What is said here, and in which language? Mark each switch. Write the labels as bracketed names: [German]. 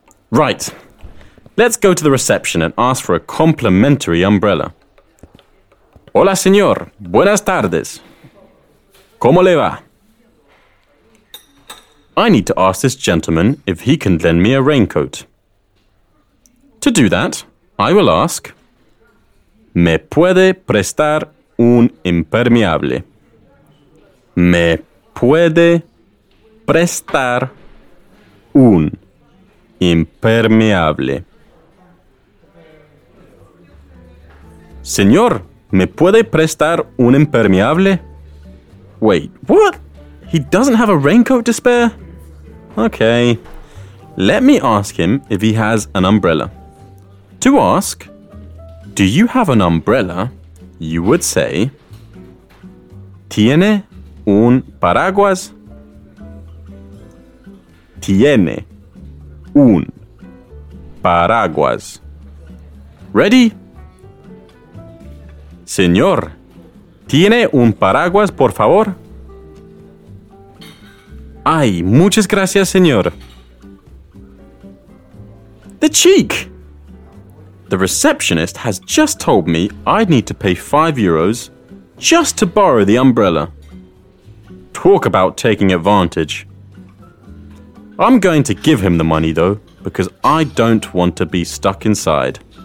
[English] Right. Let's go to the reception and ask for a complimentary umbrella. [Spanish] Hola, señor. Buenas tardes. ¿Cómo le va? [English] I need to ask this gentleman if he can lend me a raincoat. To do that, I will ask, [Spanish] ¿Me puede prestar un impermeable? ¿Me puede prestar un impermeable? Señor, ¿me puede prestar un impermeable? [English] Wait, what? He doesn't have a raincoat to spare? Okay, let me ask him if he has an umbrella. To ask, do you have an umbrella, you would say, [Spanish] ¿Tiene un paraguas? ¿Tiene un paraguas? [English] Ready? [Spanish] Señor, ¿tiene un paraguas, por favor? Ay, muchas gracias, señor. [English] The cheek! The receptionist has just told me I'd need to pay €5 just to borrow the umbrella. Talk about taking advantage. I'm going to give him the money, though, because I don't want to be stuck inside.